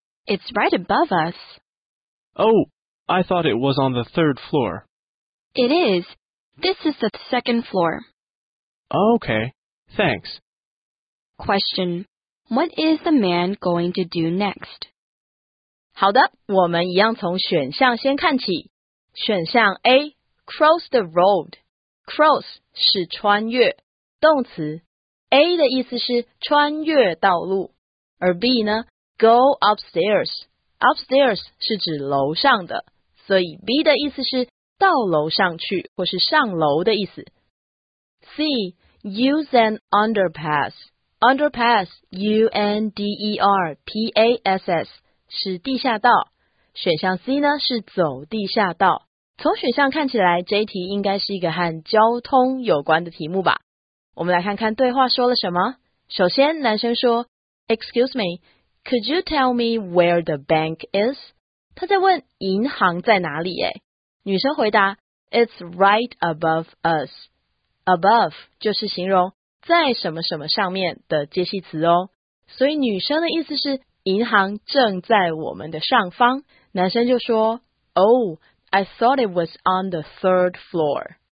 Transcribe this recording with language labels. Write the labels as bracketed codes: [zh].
[en] It's right above us. Oh, I thought it was on the third floor. It is. This is the second floor. Okay, thanks. Question. What is the man going to do next? [zh] 好的，我们一样从选项先看起。选项 A, [en] cross the road. [zh] Cross 是穿越，动词。 A 的意思是穿越道路。而 B 呢， [en] go upstairs. [zh] Upstairs 是指楼上的，所以 B 的意思是到楼上去或是上楼的意思。 [en] C, use an underpass. Underpass, underpass, [zh] 是地下道。选项 C 呢是走地下道。从选项看起来，这一题应该是一个和交通有关的题目吧。我们来看看对话说了什么。首先男生说， [en] Excuse me, could you tell me where the bank is? [zh] 他在问银行在哪里耶。女生回答， [en] It's right above us. [zh] Above 就是形容在什么什么上面的介系词哦。所以女生的意思是银行正在我们的上方。男生就说， [en] Oh, I thought it was on the third floor.